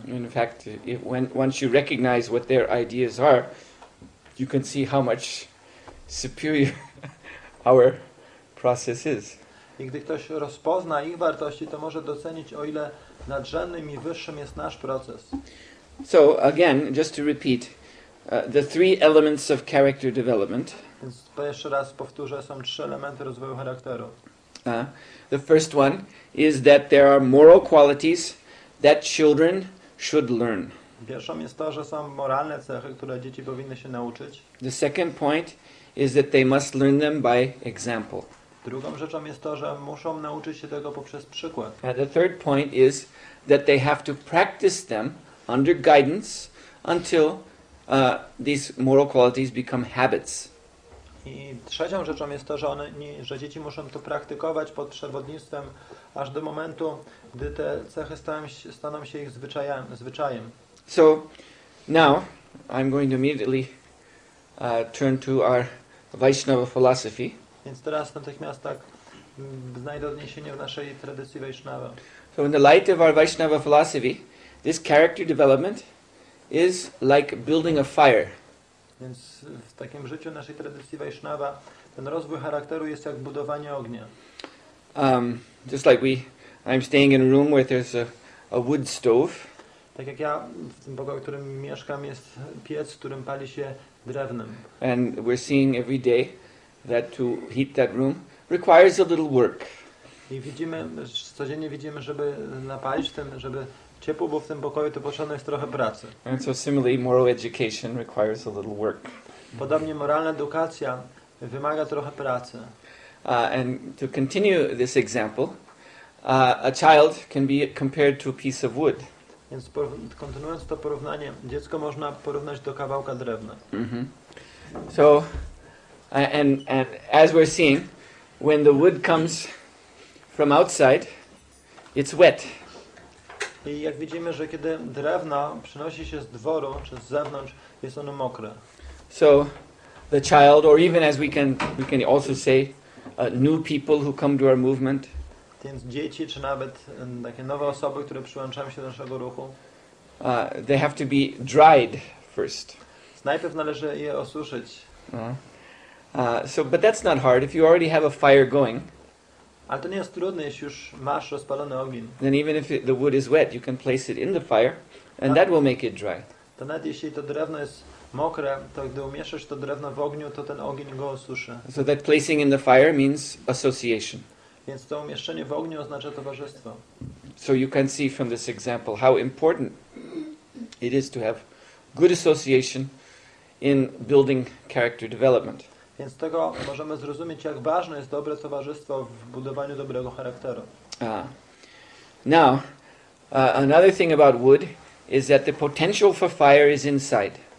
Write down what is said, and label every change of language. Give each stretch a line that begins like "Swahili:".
English: In fact, once you recognize what their ideas are, you can see how much superior our process is.
Polish: I gdy ktoś rozpozna ich wartości, to może docenić, o ile nadrzędnym i wyższym jest nasz proces.
English: So again, just to repeat, the three elements of character development.
Polish: Więc to jeszcze raz powtórzę, są trzy elementy rozwoju charakteru.
English: The first one is that there are moral qualities that children should learn.
Polish: Pierwszą jest to, że są moralne cechy, które dzieci powinny się nauczyć.
English: The second point is that they must learn them by example.
Polish: Drugą rzeczą jest to, że muszą nauczyć się tego poprzez przykład.
English: And the third point is that they have to practice them under guidance until these moral qualities become habits.
Polish: I trzecią rzeczą jest to, że dzieci muszą to praktykować pod przewodnictwem aż do momentu, gdy te cechy staną się ich zwyczajem.
English: So now I'm going to immediately turn to our Vaishnava philosophy.
Polish: Więc teraz natychmiast tak znajdę odniesienie w naszej tradycji Vaishnava.
English: So in the light of our Vaishnava philosophy, this character development is like building a fire.
Polish: Więc w takim życiu naszej tradycji Vaishnava ten rozwój charakteru jest jak budowanie ognia.
English: Just like I'm staying in a room where there's a wood stove.
Polish: Tak jak ja w tym pokoju, w którym mieszkam, jest piec, w którym pali się drewnem.
English: And we're seeing every day that to heat that room requires a little work.
Polish: I widzimy, codziennie widzimy, żeby napalić ten, żeby ciepło było w tym pokoju, to potrzebne jest trochę pracy.
English: And so similarly, moral education requires a little work.
Polish: Podobnie moralna edukacja wymaga trochę pracy.
English: And to continue this example, a child can be compared to a piece of wood.
Polish: Więc kontynuując to porównanie, dziecko można porównać do kawałka drewna. Mm-hmm.
English: So, and as we're seeing, when the wood comes from outside, it's wet.
Polish: I jak widzimy, że kiedy drewno przynosi się z dworu czy z zewnątrz, jest ono mokre.
English: So, the child, or even as we can also say, new people who come to our movement.
Polish: Więc dzieci, czy nawet takie nowe osoby, które przyłączają się do naszego ruchu,
English: they have to be dried first.
Polish: Najpierw należy je osuszyć.
English: But that's not hard if you already have a fire going.
Polish: Ale to nie jest trudne, jeśli już masz rozpalony ogień.
English: Then even if the wood is wet, you can place it in the fire, and that will make it dry.
Polish: To nawet jeśli to drewno jest mokre, to gdy umieszczasz to drewno w ogniu, to ten ogień go osuszy.
English: So that placing in the fire means association.
Polish: Więc to umieszczenie w ogniu oznacza towarzystwo.
English: So you can see from this example how important it is to have good association in building character development.
Polish: Więc z tego możemy zrozumieć, jak ważne jest dobre towarzystwo w budowaniu dobrego charakteru.
English: Another thing about wood is that the potential for fire is inside.